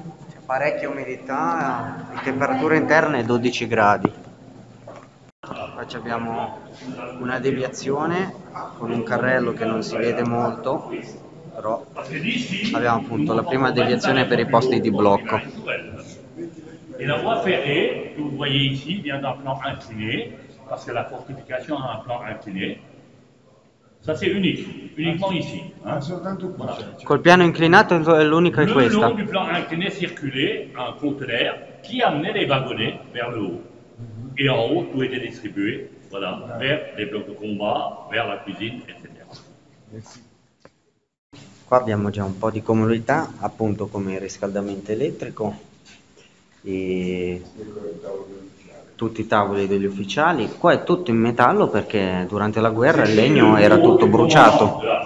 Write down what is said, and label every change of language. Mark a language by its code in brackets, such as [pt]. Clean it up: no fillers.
[it] C'è parecchia umidità, la temperatura interna è 12 gradi. Qua abbiamo una deviazione con un carrello che non si vede molto, però abbiamo appunto la prima deviazione per i posti di blocco. [fr] E la voie ferrée, vous voyez ici, vient d'un plan incliné, parce que la fortification a un plan incliné. Ça c'est unique, uniquement ici. Voilà. [it] Col piano inclinato è l'unico le è questa. [fr] Le long du plan incliné circulait un conteneur qui amenait les wagonnets vers le haut. Mm-hmm. Et en haut, tout était distribué, voilà, mm-hmm. vers les blocs de combat, vers la cuisine, etc. Merci. [it] Qua abbiamo già un po' di comodità, appunto come il riscaldamento elettrico. E tutti i tavoli degli ufficiali. Qua è tutto in metallo perché durante la guerra il legno era tutto bruciato.